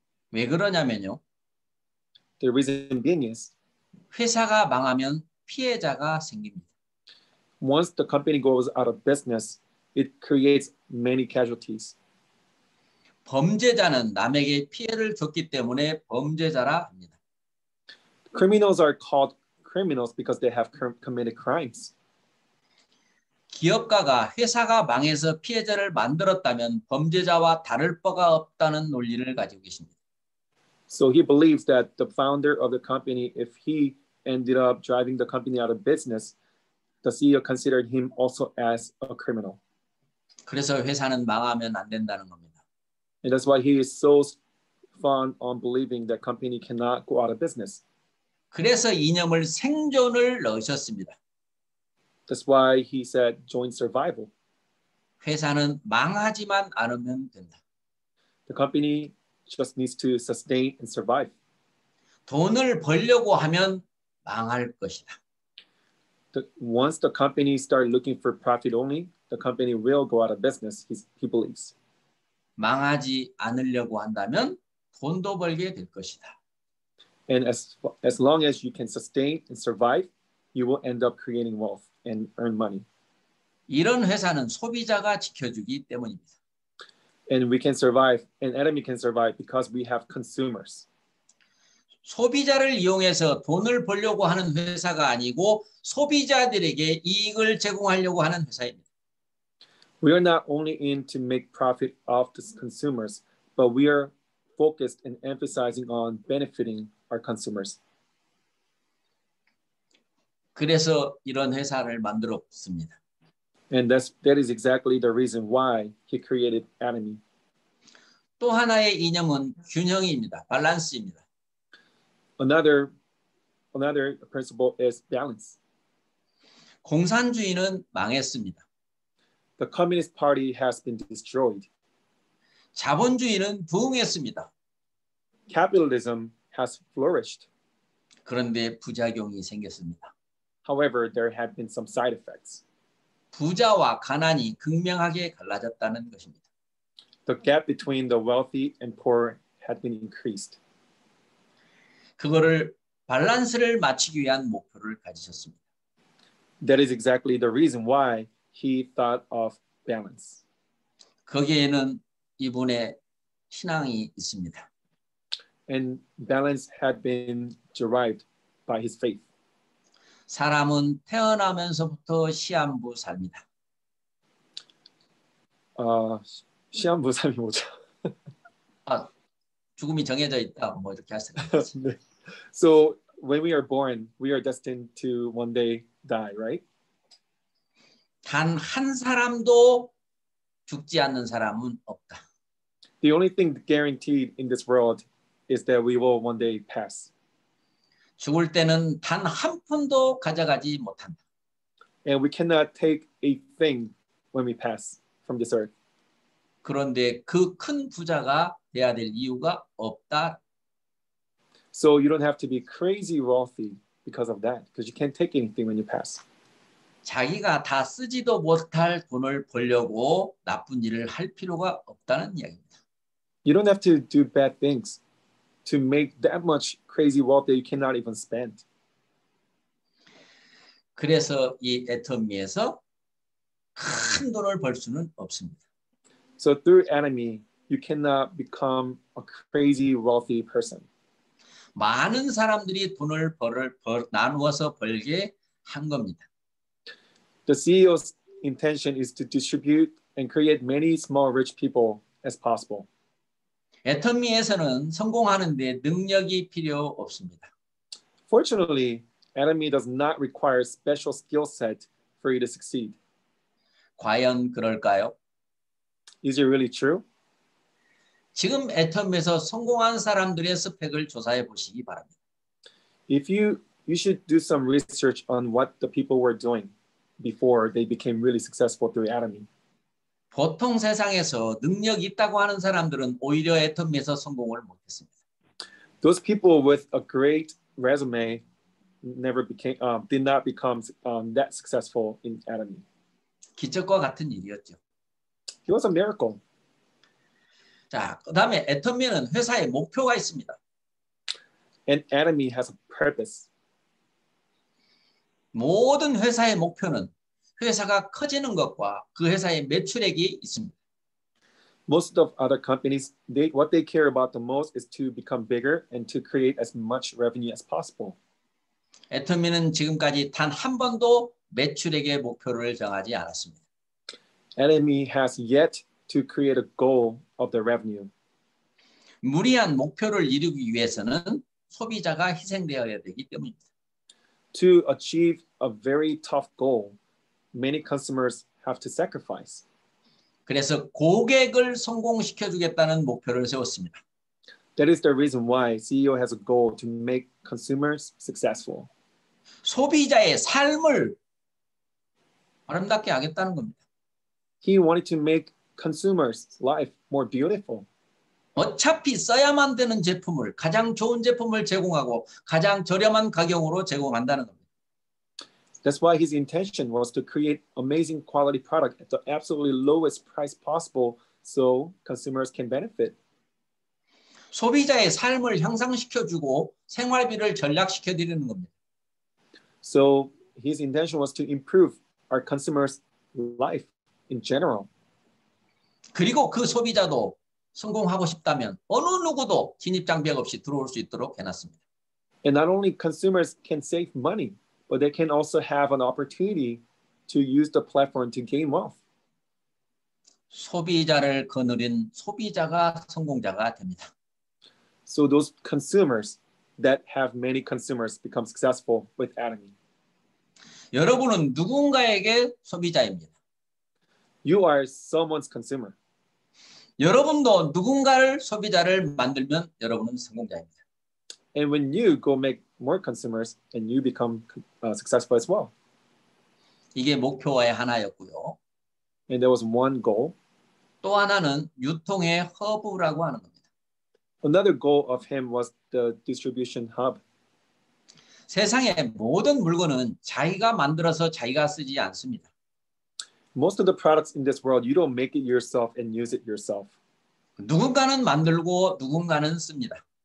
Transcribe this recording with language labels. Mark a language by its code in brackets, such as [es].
[ko] 왜 그러냐면요. [en] The reason being is [ko] 회사가 망하면 피해자가 생깁니다. [en] Once the company goes out of business, it creates many casualties. [ko] 범죄자는 남에게 피해를 줬기 때문에 범죄자라 합니다. [en] Criminals are called criminals because they have committed crimes. [ko] 기업가가 회사가 망해서 피해자를 만들었다면 범죄자와 다를 바가 없다는 논리를 가지고 계십니다. [en] So he believes that the founder of the company, if he ended up driving the company out of business, the CEO considered him also as a criminal. [ko] 그래서 회사는 망하면 안 된다는 겁니다. [en] And that's why he is so fond on believing that company cannot go out of business. [ko] 그래서 이념을 생존을 넣으셨습니다. [en] That's why he said joint survival. [ko] 회사는 망하지만 않으면 된다. [en] The company just needs to sustain and survive. [ko] 돈을 벌려고 하면 망할 것이다. [en] Once the company starts looking for profit only, the company will go out of business, he believes. [ko] 망하지 않으려고 한다면 돈도 벌게 될 것이다. [en] And as long as you can sustain and survive, you will end up creating wealth. And earn money. [ko] 이런 회사는 소비자가 지켜주기 때문입니다. [en] And we can survive, and Atomy can survive because we have consumers. [ko] 소비자를 이용해서 돈을 벌려고 하는 회사가 아니고 소비자들에게 이익을 제공하려고 하는 회사입니다. [en] We are not only in to make profit off the consumers, but we are focused and emphasizing on benefiting our consumers. [ko] 그래서 이런 회사를 만들었습니다. [en] And that is exactly the reason why he created Atomy. [ko] 또 하나의 이념은 균형입니다. 밸런스입니다. [en] Another principle is balance. [ko] 공산주의는 망했습니다. [en] The Communist Party has been destroyed. [ko] 자본주의는 부흥했습니다. [en] Capitalism has flourished. [ko] 그런데 부작용이 생겼습니다. [en] However, there have been some side effects. [ko] 부자와 가난이 극명하게 갈라졌다는 것입니다. [en] The gap between the wealthy and poor had been increased. [ko] 그거를 밸런스를 맞추기 위한 목표를 가지셨습니다. [en] That is exactly the reason why he thought of balance. [ko] 거기에는 이분의 신앙이 있습니다. [en] And balance had been derived by his faith. [ko] 사람은 태어나면서부터 시한부 삽니다. 시한부 삶이 뭐죠? 아, 죽음이 정해져 있다. 뭐 이렇게 할 수가 있지. 네. [en] So when we are born, we are destined to one day die, right? [ko] 단 한 사람도 죽지 않는 사람은 없다. [en] The only thing guaranteed in this world is that we will one day pass. [ko] 죽을 때는 단 한 푼도 가져가지 못한다. [en] And we cannot take a thing when we pass from this earth. [ko] 그런데 그 큰 부자가 돼야 될 이유가 없다. [en] So you don't have to be crazy wealthy because of that, because you can't take anything when you pass. [ko] 자기가 다 쓰지도 못할 돈을 벌려고 나쁜 일을 할 필요가 없다는 이야기입니다. [en] You don't have to do bad things to make that much crazy wealth that you cannot even spend. [ko] 그래서 이 애터미에서 큰 돈을 벌 수는 없습니다. [en] So through enemy, you cannot become a crazy wealthy person. [ko] 많은 사람들이 돈을 나누어서 벌게 한 겁니다. [en] The CEO's intention is to distribute and create many small rich people as possible. [ko] 애터미에서는 성공하는데 능력이 필요 없습니다. [en] Fortunately, enemy does not require special skill set for you to succeed. [ko] 과연 그럴까요? [en] Is it really true? [ko] 지금 애터미에서 성공한 사람들의 스펙을 조사해 보시기 바랍니다. [en] If you should do some research on what the people were doing before they became really successful through enemy. [ko] 보통 세상에서 능력 있다고 하는 사람들은 오히려 애터미에서 성공을 못했습니다. [en] Those people with a great resume never became, did not become that successful in Atomy. [ko] 기적과 같은 일이었죠. [en] It was a miracle. [ko] 자, 그 다음에 애터미는 회사에 목표가 있습니다. [en] And Atomy has a purpose. [ko] 모든 회사의 목표는 회사가 커지는 것과 그 회사의 매출액이 있습니다. [en] Most of other companies, what they care about the most is to become bigger and to create as much revenue as possible. [ko] 애터미는 지금까지 단 한 번도 매출액의 목표를 정하지 않았습니다. [en] Atomy has yet to create a goal of the revenue. [ko] 무리한 목표를 이루기 위해서는 소비자가 희생되어야 되기 때문입니다. [en] To achieve a very tough goal, many customers have to sacrifice. [ko] 그래서 고객을 성공시켜 주겠다는 목표를 세웠습니다. [en] That is the reason why CEO has a goal to make consumers successful. [ko] 소비자의 삶을 아름답게 하겠다는 겁니다. [en] He wanted to make consumers' life more beautiful. [ko] 어차피 써야만 되는 제품을 가장 좋은 제품을 제공하고 가장 저렴한 가격으로 제공한다는 겁니다. [en] That's why his intention was to create amazing quality product at the absolutely lowest price possible so consumers can benefit. [ko] 소비자의 삶을 향상시켜주고 생활비를 절약시켜드리는 겁니다. [en] So his intention was to improve our consumers' life in general. [ko] 그리고 그 소비자도 성공하고 싶다면 어느 누구도 진입장벽 없이 들어올 수 있도록 해놨습니다. [en] And not only consumers can save money, but they can also have an opportunity to use the platform to gain wealth. [ko] 소비자를 거느린 소비자가 성공자가 됩니다. [en] So those consumers that have many consumers become successful with Atomy. [ko] 여러분은 누군가에게 소비자입니다. [en] You are someone's consumer. [ko] 여러분도 누군가를 소비자를 만들면 여러분은 성공자입니다. [en] And when you go make more consumers and you become successful as well. [ko] 이게 목표의 하나였고요. [en] And there was one goal. [ko] 또 하나는 유통의 허브라고 하는 겁니다. [en] Another goal of him was the distribution hub. [ko] 세상의 모든 물건은 자기가 만들어서 자기가 쓰지 않습니다. [en] Most of the products in this world, you don't make it yourself and use it yourself. [ko] 누군가는 만들고 누군가는 씁니다.